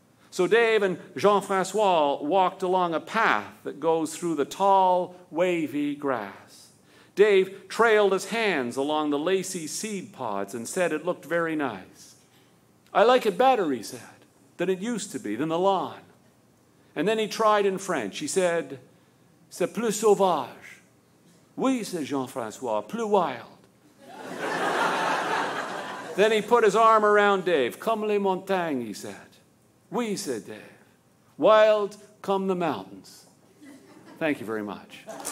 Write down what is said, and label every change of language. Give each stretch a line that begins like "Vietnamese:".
English: So Dave and Jean-François walked along a path that goes through the tall, wavy grass. Dave trailed his hands along the lacy seed pods and said it looked very nice. I like it better, he said, than it used to be, than the lawn. And then he tried in French. He said,
French: c'est plus sauvage.
English: Oui, said Jean-François, plus wild. Then he put his arm around Dave.
French: Comme les montagnes,
English: he said. Oui, said Dave. Wild come the mountains. Thank you very much.